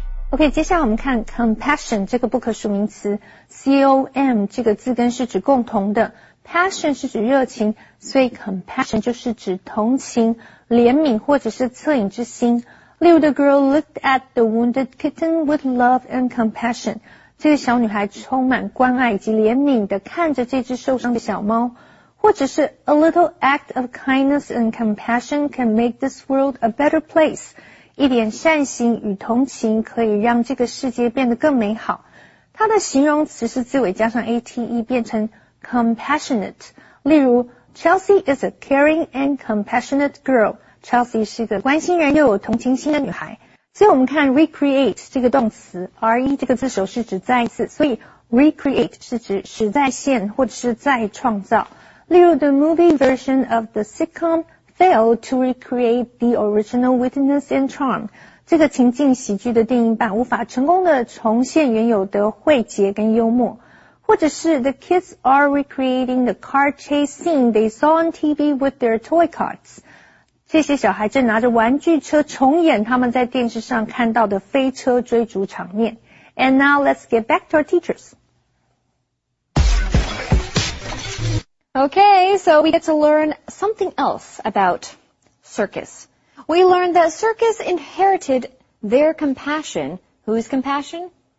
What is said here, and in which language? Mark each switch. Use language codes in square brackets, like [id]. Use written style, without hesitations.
[zh] OK, 接下来我们看 compassion 这个不可数名词 ,com 这个字根是指共同的 ,passion 是指热情，所以 compassion 就是指同情、怜悯或者是恻隐之心。例如 [en] the girl looked at the wounded kitten with love and compassion. [zh] 这个小女孩充满关爱以及怜悯地看着这只受伤的小猫。或者是 [en] a little act of kindness and compassion can make this world a better place. [zh] 一点善行与同情可以让这个世界变得更美好。它的形容词是字尾加上 ate 变成 compassionate. 例如 [en] Chelsea is a caring and compassionate girl. [zh] Chelsea 是一个关心人又有同情心的女孩。所以我们看 recreate 这个动词 ,re 这个字首是指再一次。所以 recreate 是指实再现或者是再创造。例如 [en] ,the movie version of the sitcom failed to recreate the original witness and charm. [zh] 这个情境喜剧的电影版无法成功的重现原有的慧结跟幽默。或者是 [en] ,the kids are recreating the car chase scene they saw on TV with their toy carts. [zh] 这些小孩正拿着玩具车重演他们在电视上看到的飞车追逐场面。 [en] And now let's get back to our teachers. Okay, so we get to learn something else about circus. We learned that circus inherited their compassion. Whose compassion?